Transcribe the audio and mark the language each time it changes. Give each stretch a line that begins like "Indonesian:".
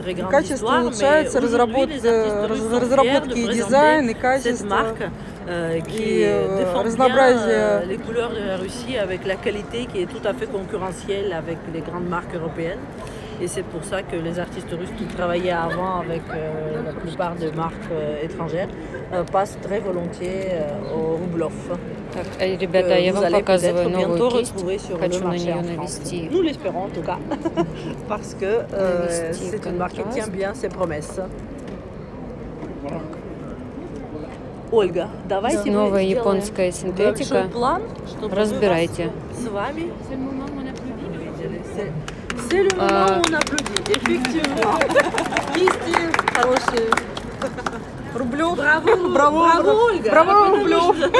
Russian: Качество улучшается, разработки и дизайн, и качество, и разнообразие.
French: Les couleurs de la Russie avec la qualité qui est tout à fait concurrentielle avec les grandes marques européennes. Et c'est pour ça que les artistes russes qui travaillaient avant avec la plupart des marques étrangères passent très volontiers au Rublev.
Russian: Так, ребята, я вам показываю новую кисть. Хочу на нее навести.
French: Ну, l'espérons, en tout cas. Parce que c'est une marque qui tient bien ses promesses.
Russian: Ольга, давайте... Новая японская синтетика. Разбирайте. С вами...
French: C'est le moment où on applaudit, effectivement.
Russian: Кисти хорошие. Рублёв. Браво, браво, браво, Ольга. Браво, браво, Рублёв.